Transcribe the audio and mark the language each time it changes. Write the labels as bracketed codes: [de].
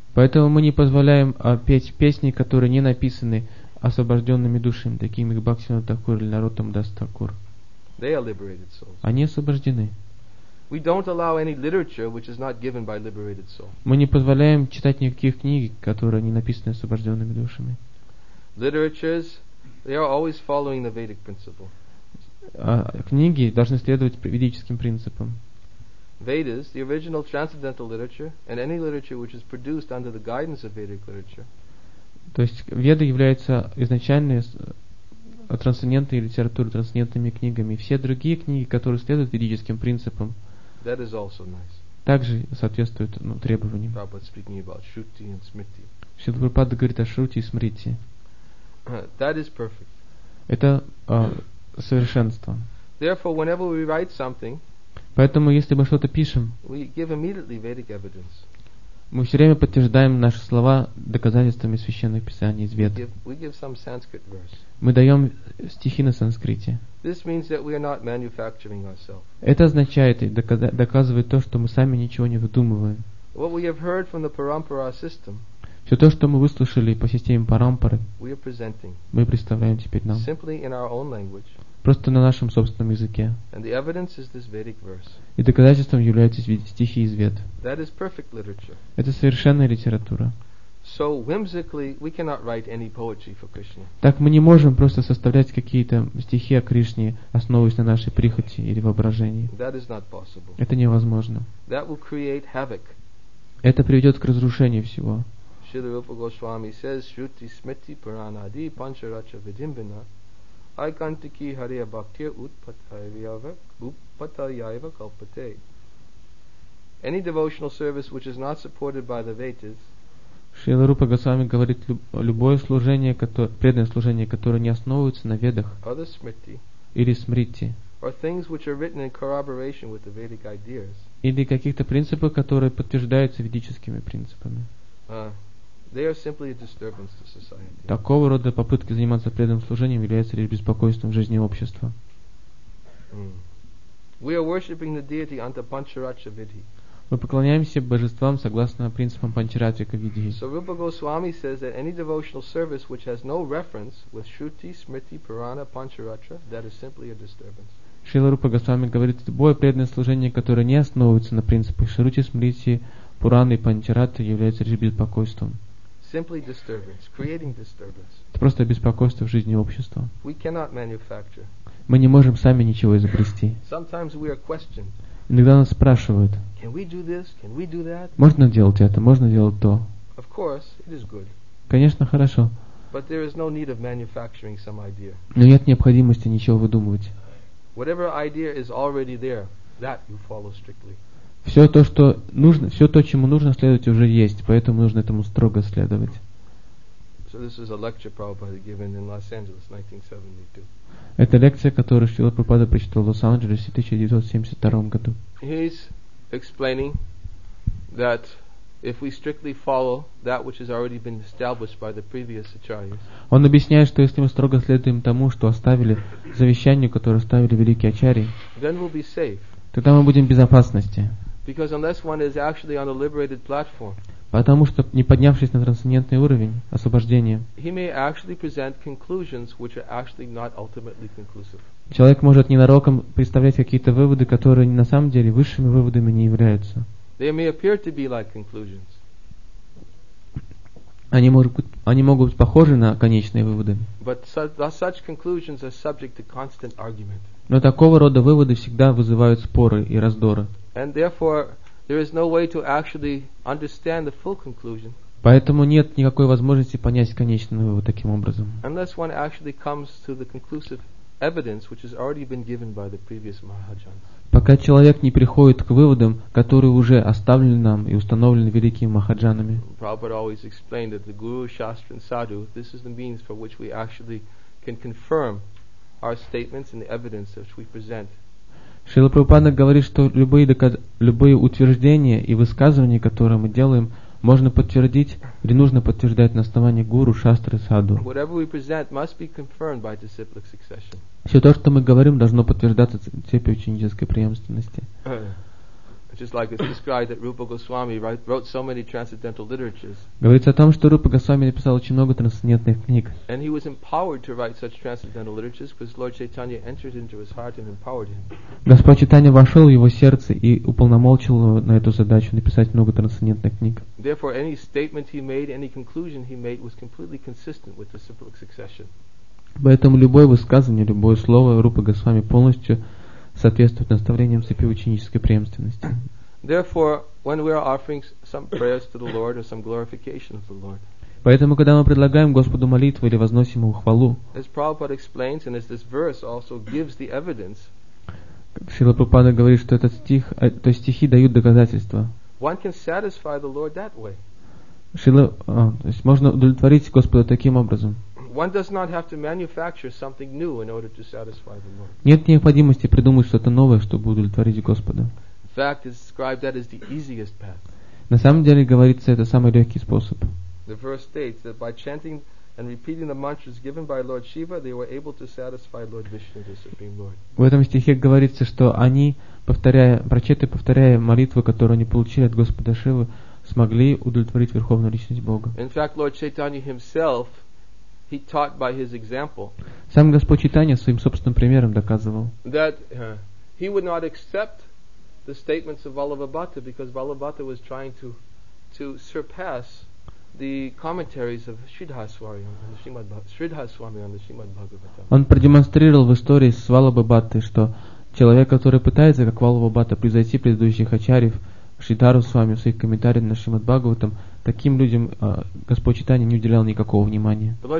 [ru] Поэтому мы не позволяем петь песни, которые не написаны освобожденными душами, такими как Бхактивинода Такур или Нароттам Дас Такур. [en] They are liberated souls. [ru] Они освобождены. [en] We don't allow any literature which is not given by liberated souls. [ru] Мы не позволяем читать никаких книг, которые не написаны освобожденными душами. [en] Literatures, they are always following the Vedic principle. [ru] Книги должны следовать ведическим принципам. [en] Vedas, the original transcendental literature, and any literature which is produced under the guidance of Vedic literature. [ru] То есть Веды являются изначальной трансцендентной литературой, трансцендентными книгами. Все другие книги, которые следуют ведическим принципам, [en] that is also nice. [ru] Также соответствуют требованиям. [en] Prabhupada speaking about Shruti and Smriti. [ru] Шрила Прабхупада говорит о Шрути и Смрити. [en] That is perfect. [ru] Это совершенство. [en] Therefore, whenever we write something, [ru] поэтому, если мы что-то пишем, [en] we give immediately Vedic evidence. [ru] Мы все время подтверждаем наши слова доказательствами священных писаний из Вед. [en] We give some Sanskrit verse. [ru] Мы даем стихи на санскрите. [en] This means that we are not manufacturing ourselves. [ru] Это означает и доказывает то, что мы сами ничего не выдумываем. [en] What we have heard from the Parampara system, [ru] все то, что мы выслушали по системе Парампары, мы представляем теперь нам. [en] Simply in our own language. [ru] Просто на нашем собственном языке. [en] And the evidence is this Vedic verse. [ru] И доказательством являются стихи из Вед. [en] That is perfect literature. [ru] Это совершенная литература. [en] So whimsically we cannot write any poetry for Krishna. [ru] Так мы не можем просто составлять какие-то стихи о Кришне, основываясь на нашей прихоти или воображении. [en] That is not possible. [ru] Это невозможно. [en] That will create havoc. [ru] Это приведет к разрушению всего. [sa] Шрила Рупа Госвами [en] says, [sa] Shruti Smriti Puranadi Pancharacha Vidimbina Aikantiki Hariya Bhakti Utpatayava Kalpate. [en] Any devotional service which is not supported by the Vedas. [ru] Шрила Рупа Госвами говорит, любое служение, преданное служение, которое не основывается на Ведах, [en] other smriti, [ru] или Смрити, [en] or things which are written in corroboration with the Vedic ideas, [ru] или каких-то принципов, которые подтверждаются ведическими принципами. [en] They are simply a disturbance to society. [ru] Такого рода попытки заниматься преданным служением является лишь беспокойством в жизни общества. [en] We are worshiping the deity under Pancharatra Vidhi. [ru] Мы поклоняемся божествам согласно принципам Панчаратрика Видхи. [en] So Rupa Goswami says that any devotional service which has no reference with Shruti, Smriti, Purana, Pancharatra, that is simply a disturbance. [ru] Шрила Рупа Госвами говорит, любое преданное служение, которое не основывается на принципах Шрути, Смрити, Пураны и Панчараты, является лишь беспокойством. [en] Simply disturbance, creating disturbance. [ru] Это просто беспокойство в жизни общества. [en] We cannot manufacture. [ru] Мы не можем сами ничего изобрести. [en] Sometimes we are questioned. [ru] Иногда нас спрашивают, [en] can we do this? Can we do that? [ru] Можно делать это, можно делать то. [en] Of course, it is good. [ru] Конечно, хорошо. [en] But there is no need of manufacturing some idea. [ru] Но нет необходимости ничего выдумывать. [en] Whatever idea is already there, that you follow strictly. [ru] Все то, что нужно, все то, чему нужно следовать, уже есть, поэтому нужно этому строго следовать. [en] So this is a lecture Prabhupada given in Los Angeles, 1972. [ru] Это лекция, которую Шрила Прабхупада прочитал в Лос-Анджелесе в 1972 году. [en] He's explaining that if we strictly follow that which has already been established by the previous acharyas. [ru] Он объясняет, что если мы строго следуем тому, что оставили завещанию, которое оставили великие ачарьи, [en] then we'll be safe. [ru] Тогда мы будем в безопасности. [en] Because unless one is actually on a liberated platform. [ru] Потому что не поднявшись на трансцендентный уровень освобождения. [en] He may actually present conclusions which are actually not ultimately conclusive. [ru] Человек может ненароком представлять какие-то выводы, которые на самом деле высшими выводами не являются. [en] They may appear to be like conclusions. [ru] Они могут быть похожи на конечные выводы. [en] But such conclusions are subject to constant argument. [ru] Но такого рода выводы всегда вызывают споры и раздоры. [en] And therefore, there is no way to actually understand the full conclusion. [ru] Поэтому нет никакой возможности понять конечный вывод таким образом. [en] Unless one actually comes to the conclusive evidence which has already been given by the previous Mahajans. [ru] Пока человек не приходит к выводам, которые уже оставлены нам и установлены великими махаджанами. [en] Prabhupada always explained that the Guru, Shastra and Sadhu, this is the means for which we actually can confirm our statements and the evidence which we present. [ru] Шрила Прабхупада говорит, что любые утверждения и высказывания, которые мы делаем, можно подтвердить или нужно подтверждать на основании Гуру, Шастры, Садху. [en] Whatever we present must be confirmed by disciplic succession. [ru] Все то, что мы говорим, должно подтверждаться цепью ученической преемственности. [en] Just like it's described that Rupa Goswami wrote so many transcendental literatures. [ru] Говорится о том, что Рупа Госвами написал очень много трансцендентных книг. [en] And he was empowered to write such transcendental literatures because Lord Chaitanya entered into his heart and empowered him. [ru] Господь Чайтанья вошел в его сердце и уполномочил его на эту задачу написать много трансцендентных книг. [en] Therefore, any statement he made, any conclusion he made, was completely consistent with the disciplic succession. [ru] Поэтому любое высказывание, любое слово Рупа Госвами полностью соответствует наставлениям цепи ученической преемственности. [en] Therefore, when we are offering some prayers to the Lord or some glorification of the Lord. [ru] Поэтому, когда мы предлагаем Господу молитву или возносим Ему хвалу. [en] As Prabhupada explains, and as this verse also gives the evidence. [ru] Шрила Прабхупада говорит, что этот стих, то есть стихи дают доказательства. [en] One can satisfy the Lord that way. [ru] То есть можно удовлетворить Господа таким образом. [en] One does not have to manufacture something new in order to satisfy the Lord. [ru] Нет необходимости придумать что-то новое, чтобы удовлетворить Господа. [en] In fact, it's described that as the easiest path. [ru] На самом деле говорится, это самый легкий способ. [en] The verse states that by chanting and repeating the mantras given by Lord Shiva, they were able to satisfy Lord Vishnu, the Supreme Lord. [ru] В этом стихе говорится, что они, прочитывая молитвы, которые они получили от Господа Шивы, смогли удовлетворить Верховную Личность Бога. [en] In fact, Lord Chaitanya himself, he taught by his example. [ru] Сам Господь Чайтанья своим собственным примером доказывал. [en] That he would not accept the statements of Vallabhabhatta because Vallabhabhatta was trying to surpass the commentaries of Sridhaswami on the Srimad Bhagavatam. [ru] Он продемонстрировал в истории с Валлабхабхатты, что человек, который пытается, как Валлабхабхатта, превзойти предыдущих ачарьев, Шридхару с вами в своих комментариях на Шримад Бхагаватам, таким людям Господь Чайтанья не уделял никакого внимания.